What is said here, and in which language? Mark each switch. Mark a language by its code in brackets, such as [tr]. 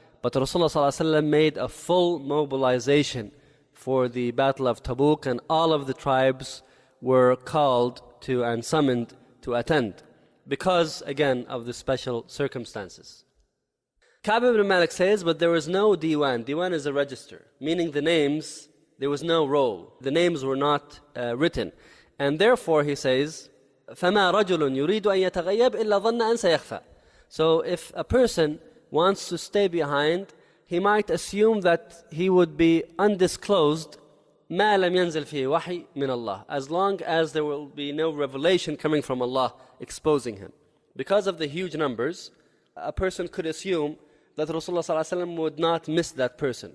[en] But Rasulullah صلى الله عليه وسلم made a full mobilization for the Battle of Tabuk, and all of the tribes were called to and summoned to attend because, again, of the special circumstances. Ka'b ibn Malik says, but there was no diwan. Diwan is a register, meaning the names, there was no roll. The names were not written. And therefore, he says, [ar] فَمَا رَجُلٌ يُرِيدُ أَن يَتَغَيَّبْ إِلَّا ظَنَّ أَن سَيَخْفَى. [en] So if a person wants to stay behind, he might assume that he would be undisclosed, [ar] مَا لَمْ يَنزِلْ فِيهِ وَحِي مِنَ اللَّهِ, [en] as long as there will be no revelation coming from Allah exposing him. Because of the huge numbers, a person could assume that Rasulullah صلى الله عليه وسلم would not miss that person.